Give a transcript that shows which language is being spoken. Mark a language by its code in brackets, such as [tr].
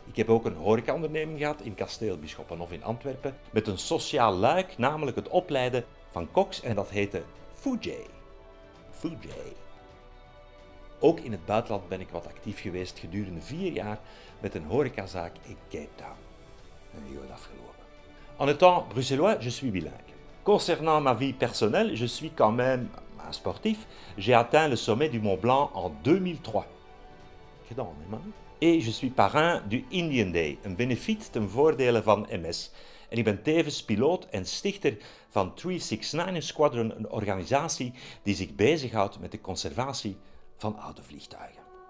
[nl] Ik heb ook een horecaonderneming gehad in Kasteel Bisschoppenhof in Antwerpen met een sociaal luik, namelijk het opleiden van koks en dat heette Foodjay. Foodjay. Ook in het buitenland ben ik wat actief geweest gedurende 4 jaar met een horecazaak in Cape Town. En die wordt afgelopen. [fr] En étant Bruxellois, je suis bilingue. Concernant ma vie personnelle, je suis quand même un sportif. J'ai atteint le sommet du Mont Blanc en 2003. [nl] Gedaan, hè? [fr] Et je suis parrain du [nl] Indian Day, een benefiet ten voordele van MS. En ik ben tevens piloot en stichter van 369 Squadron, een organisatie die zich bezighoudt met de conservatie van oude vliegtuigen.